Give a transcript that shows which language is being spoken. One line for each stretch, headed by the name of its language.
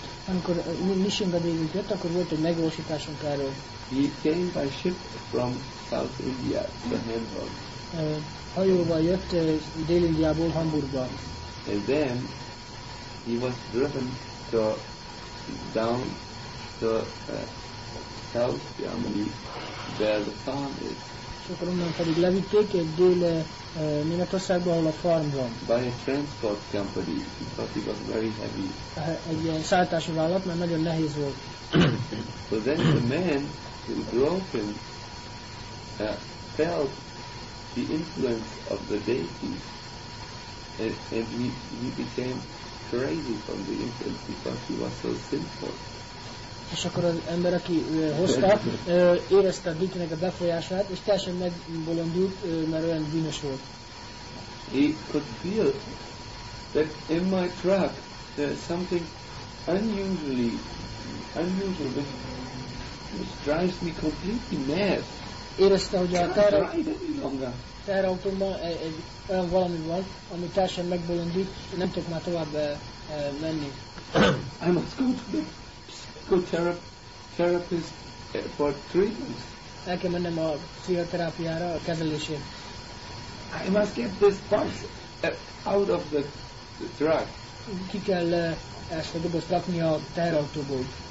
Hungarian: Amikor Nisimba Devink jött, akkor volt egy megvalósításunk erről.
English: He came by ship from South India to Hamburg.
Hungarian: Hajóval jött Dél-Indiából Hamburgba.
English: And then he was driven to down to South Germany, where the farm is.
Hungarian: És akkor onnan pedig levitték egy dél Németországba, ahol a farm van.
English: By a transport company, because it was very heavy.
Hungarian: Egy szállítási vállalat, mert nagyon nehéz volt.
English: So then the man who drove him felt the influence of the deity, and he became crazy from the influence because he was so sinful.
Hungarian: És akkor az ember, aki hozta, érezte a dítinek a befolyását, és teljesen megbolondult, mert olyan bűnös volt.
English: He could feel that in my truck there's something unusual which drives me completely mad.
Hungarian: Érezte, hogy
English: can't
Hungarian: a teherautóban egy olyan valami van, ami teljesen megbolondult, nem tudok már tovább menni.
English: I must go to bed. Therapist for treatment.
Hungarian: El kell mennem a pszichoterápiára, a kezelésért.
English: I must get this box out of the truck.
Hungarian: Ki kell ezt a dobozt rakni a teherautóból.